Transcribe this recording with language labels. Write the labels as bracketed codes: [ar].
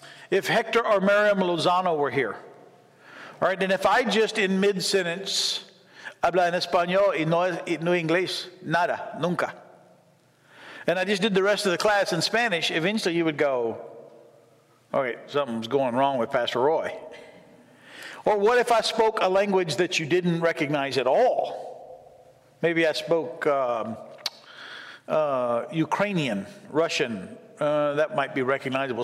[en] If Hector or Miriam Lozano were here, all right, and if I just in mid-sentence... [es] Habla en español y no inglés, nada, nunca. [en] And I just did the rest of the class in Spanish, eventually you would go, all right, something's going wrong with Pastor Roy. Or what if I spoke a language that you didn't recognize at all? Maybe I spoke Ukrainian, Russian, that might be recognizable.